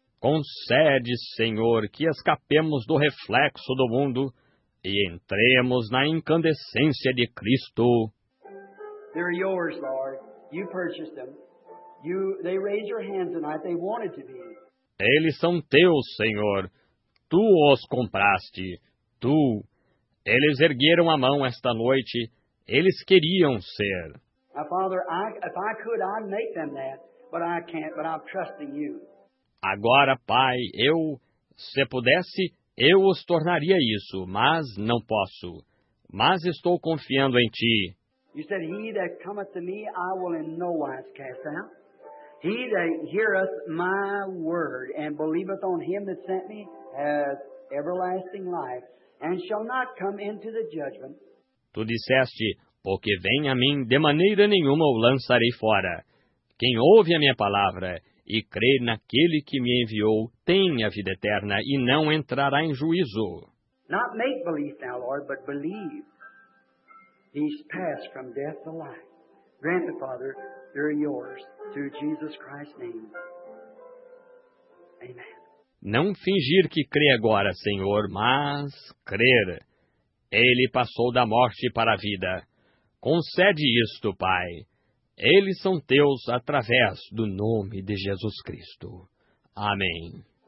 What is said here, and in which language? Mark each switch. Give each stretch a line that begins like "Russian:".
Portuguese: Concede, Senhor, que escapemos do reflexo do mundo e entremos na incandescência de Cristo.
English: They're yours, Lord. You purchased them. They raised your hands tonight. They wanted to be.
Portuguese: Eles são teus, Senhor. Tu os compraste. Tu. Eles ergueram a mão esta noite. Eles queriam ser.
English: Now, Father, if I could, I'd make them that, but I can't. But I'm trusting you.
Portuguese: Agora, Pai, eu, se pudesse, eu os tornaria isso, mas não posso. Mas estou confiando em Ti.
English: You said, he that cometh to me, I will in no wise cast out. He that heareth my word and believeth on him that sent me hath everlasting life and shall not come into the judgment.
Portuguese: Tu disseste, porque vem a mim, de maneira nenhuma o lançarei fora. Quem ouve a minha palavra e crê naquele que me enviou tem a vida eterna e não entrará em juízo.
English: Not make believe now, Lord, but believe. He's passed from death to life. Grant the Father, they're yours, through Jesus Christ's name. Amen.
Portuguese: Não fingir que crê agora, Senhor, mas crer. Ele passou da morte para a vida. Concede isto, Pai. Eles são teus através do nome de Jesus Cristo. Amém.